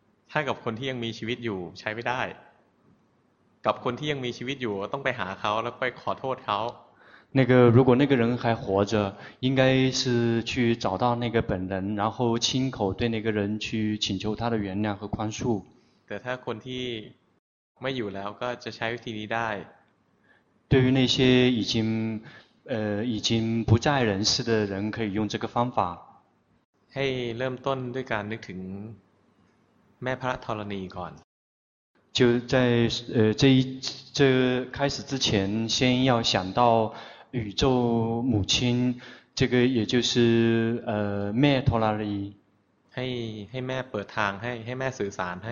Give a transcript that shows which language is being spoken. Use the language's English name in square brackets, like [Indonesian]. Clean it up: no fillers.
[Thai] ถ้ากับคนที่ยังมีชีวิตอยู่ใช้ไม่ได้กับคนที่ยังมีชีวิตอยู่ต้องไปหาเขาแล้วไปขอโทษเขา [Chinese] 那个如果那个人还活着应该是去找到那个本人然后亲口对那个人去请求他的原谅和宽恕 [Thai] แต่ถ้าคนที่ไม่อยู่แล้วก็จะใช้วิธีนี้ได้ [Chinese] 对于那些已经不在人世的人可以用这个方法 [Thai] ให้เริ่มต้นด้วยการนึกถึงแม่พระธรณีก่อน [Chinese] 就在这开始之前先要想到宇宙母亲这个也就是แม่ธรณี [Thai] ให้แม่เปิดทางให้แม่สื่อสารให